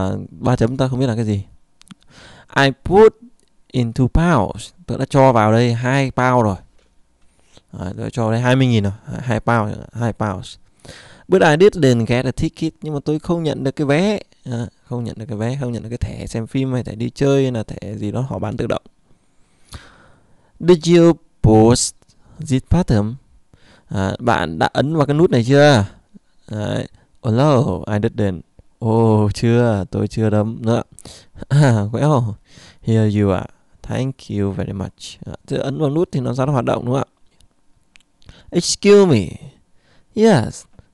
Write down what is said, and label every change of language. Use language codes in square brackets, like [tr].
[vi] Ba chấm ta không biết là cái gì. [en] I put in 2 pounds. [vi] Tôi đã cho vào đây 2 pound rồi. Tôi đã cho đây 20.000 rồi. [en] 2 pound. 2 pounds. But I didn't get a ticket. [vi] Nhưng mà tôi không nhận được cái vé. Không nhận được cái vé. Không nhận được cái thẻ xem phim hay thẻ đi chơi hay là thẻ gì đó họ bán tự động. [en] Did you post this button? [vi] Bạn đã ấn vào cái nút này chưa? Đấy. [en] Oh no, I didn't. [vi] Oh, chưa, tôi chưa đấm nữa. [en] Well, here you are. Thank you very much. [vi] Chứ ấn vào nút thì nó ra nó hoạt động đúng không ạ? [en] Excuse me. Yes.